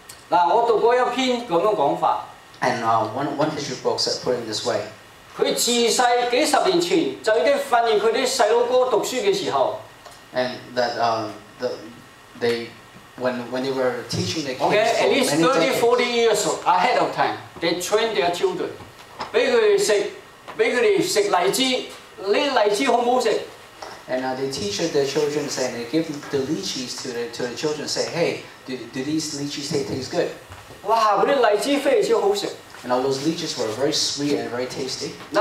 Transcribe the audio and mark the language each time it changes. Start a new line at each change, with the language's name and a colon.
English: And one history book said, put it this way. When they were teaching the kids okay, at least 30, 40 years ahead of time, they trained their children.
Chinese: 给他们吃荔枝，这荔枝好不好吃？
English: And they teach their children, saying they give the lychees to the children, say, hey, do these lychees taste good? Wow, those lychees are very good. And all those lychees were very sweet and very tasty.